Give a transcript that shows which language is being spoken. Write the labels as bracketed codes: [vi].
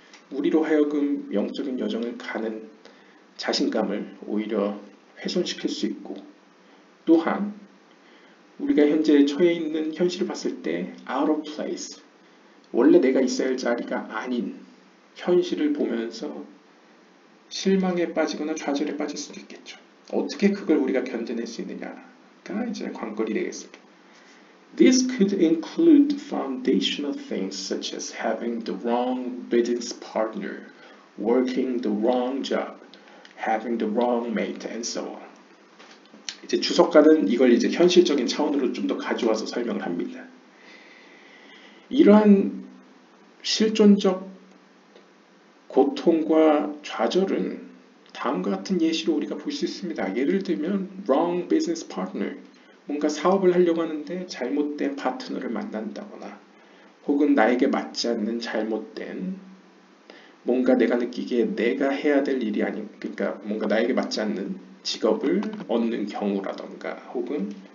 [ko] 우리로 하여금 영적인 여정을 가는 자신감을 오히려 훼손시킬 수 있고 또한 우리가 현재 처해 있는 현실을 봤을 때 [en] out of place, [ko] 원래 내가 있어야 할 자리가 아닌 현실을 보면서 실망에 빠지거나 좌절에 빠질 수도 있겠죠. 어떻게 그걸 우리가 견뎌낼 수 있느냐가 이제 관건이 되겠습니다. [en] This could include foundational things such as having the wrong business partner, working the wrong job, having the wrong mate, and so on. [ko] 이제 주석가는 이걸 이제 현실적인 차원으로 좀 더 가져와서 설명을 합니다. 이러한 실존적 고통과 좌절은 다음과 같은 예시로 우리가 볼 수 있습니다. 예를 들면 [en] wrong business partner, [ko] 뭔가 사업을 하려고 하는데 잘못된 파트너를 만난다거나 혹은 나에게 맞지 않는 잘못된 뭔가 내가 느끼기에 내가 해야 될 일이 아닌 그러니까 뭔가 나에게 맞지 않는 직업을 얻는 경우라던가 혹은